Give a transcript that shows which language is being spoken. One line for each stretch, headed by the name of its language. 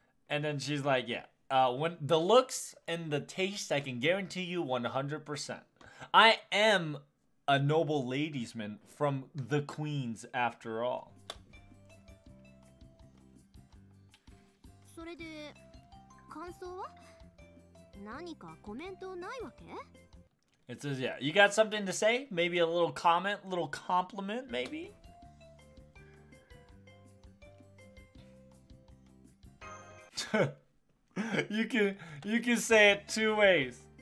English: And then she's like, yeah, when the looks and the taste, I can guarantee you 100%. I am a noble ladiesman from the Queens, after all.
Japanese: それで感想は何かコメントないわけ?
English: It says, yeah, you got something to say? Maybe a little comment, little compliment, maybe? You can say it two ways.